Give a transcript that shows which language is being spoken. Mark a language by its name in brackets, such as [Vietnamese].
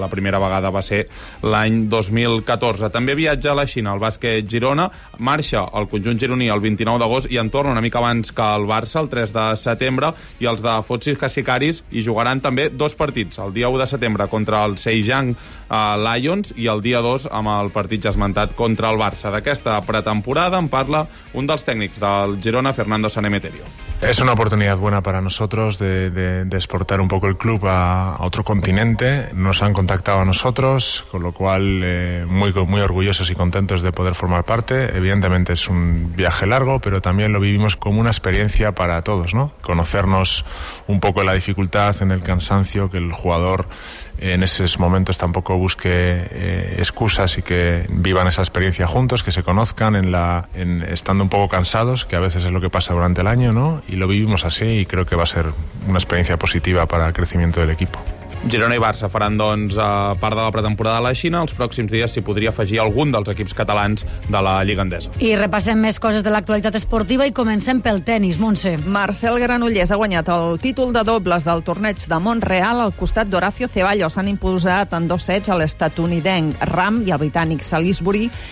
[Catalan] La primera vegada va ser l'any 2014. També viatja a la Xina el bàsquet Girona, marxa el conjunt gironí el 29 d'agost i en torna una mica abans que el Barça, el 3 de setembre, i els de Fotsis Cacicaris hi jugaran també dos partits, el dia 1 de setembre contra el Zhejiang Lions i el dia 2 amb el partit ja esmentat contra el Barça. D'aquesta pretemporada en parla un dels tècnics del Girona, Fernando Sanemeterio. [Spanish] Es una oportunidad buena para nosotros de exportar un poco el club a otro continente. Nos han contactado a nosotros, con lo cual muy orgullosos y contentos de poder formar parte. Evidentemente es un viaje largo, pero también lo vivimos como una experiencia para todos, ¿no? Conocernos un poco en la dificultad, en el cansancio, que el jugador en esos momentos tampoco busque excusas y que vivan esa experiencia juntos, que se conozcan en estando un poco cansados, que a veces es lo que pasa durante el año, ¿no? Y lo vivimos así y creo que va a ser una experiencia positiva para el crecimiento del equipo. [Catalan] Girona i Barça faran, doncs, part de la pretemporada a la Xina. Els pròxims dies s'hi podria afegir algun dels equips catalans de la Lliga Endesa. I repassem més coses de l'actualitat esportiva i comencem pel tennis, Montse. Marcel Granollers ha guanyat el títol de dobles del torneig de Montreal al costat d'Horacio Ceballos. S'han imposat en dos sets a l'estatunidenc Ram i el britànic Salisbury.